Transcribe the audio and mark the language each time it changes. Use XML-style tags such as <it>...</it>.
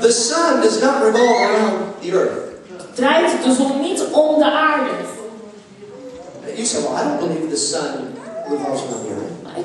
<en>the sun does not revolve around the earth.</en> <nl>Draait de zon niet om de aarde.</nl> <en>You say, well, I don't believe the sun revolves around the earth.</en>